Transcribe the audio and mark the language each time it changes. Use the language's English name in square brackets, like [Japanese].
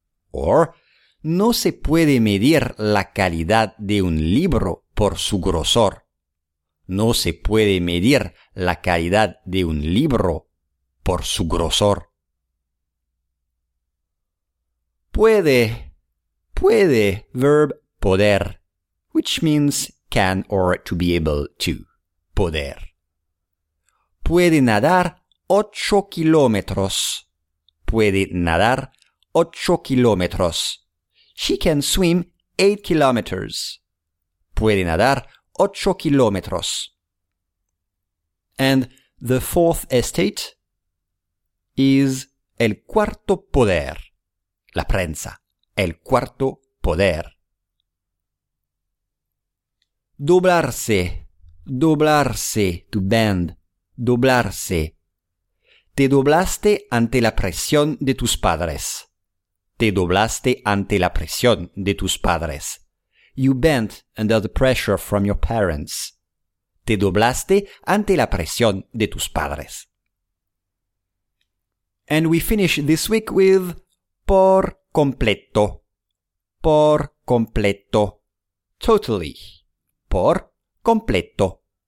[English] Or, [Spanish] no se puede medir la calidad de un libro por su grosor. No se puede medir la calidad de un libro por su grosor. Puede. Puede. [English] Verb poder, which means can or to be able to. [Spanish] Poder. Puede nadar 8 kilómetros. Puede nadar 8 kilómetros. [English] She can swim 8 kilometers. [Spanish] Puede nadar 8 kilómetros. [English] And the fourth estate is [Spanish] el cuarto poder. La prensa. El cuarto poder. Doblarse. Doblarse. [English] To bend. [Spanish] Doblarse. Te doblaste ante la presión de tus padres. Te doblaste ante la presión de tus padres. [English] You bent under the pressure from your parents. [Spanish] Te doblaste ante la presión de tus padres. [English] And we finish this week with [Spanish] por completo. Por completo. [English] Totally. [Spanish] Por completo.